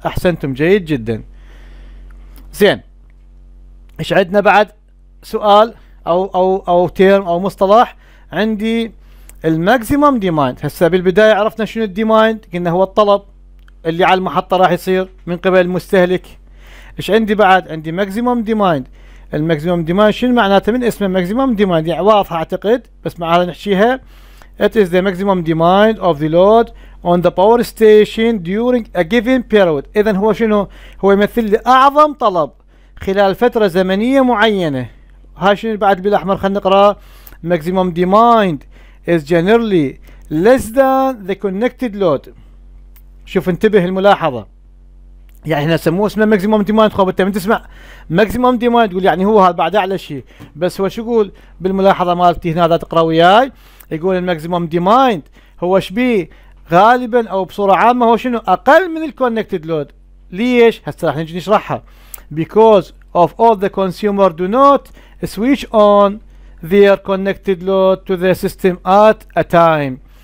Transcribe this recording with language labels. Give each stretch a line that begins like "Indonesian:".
Arabic: احسنتم جيد جدا. زين ايش عندنا بعد؟ سؤال او او او تيرم او مصطلح عندي الماكسيمم ديمايند. هسه بالبدايه عرفنا شنو الديمايند، قلنا هو الطلب اللي على المحطه راح يصير من قبل المستهلك. ايش عندي بعد؟ عندي ماكسيمم ديمايند. الماكسيمم ديمايند شنو معناته؟ من اسمه ماكسيمم ديمايند يعني واضحه اعتقد، بس ما راح نحكيها.
English: It is the maximum demand of the load on the power station during a given period.
Arabic: اذا هو شنو؟ هو يمثل لي اعظم طلب خلال فتره زمنيه معينه. هاي شنو بعد بالاحمر؟ خلينا نقرا ماكسيمم ديمايند
English: is generally less than the connected load.
Arabic: شوف انتبه الملاحظة، يعني احنا سموه اسمه ماكسيموم ديمايند. خب انت من تسمع ماكسيموم ديمايند تقول يعني هو هذا بعد اعلى شيء، بس هو شو يقول بالملاحظة مالتي هنا؟ اذا تقرا وياي يقول الماكسيموم ديمايند هو شبي غالبا او بصورة عامة هو شنو؟ اقل من الكونكتد لود. ليش؟ هسه راح نجي نشرحها.
English: Because of all the consumer do not switch on their connected load to the system at a time.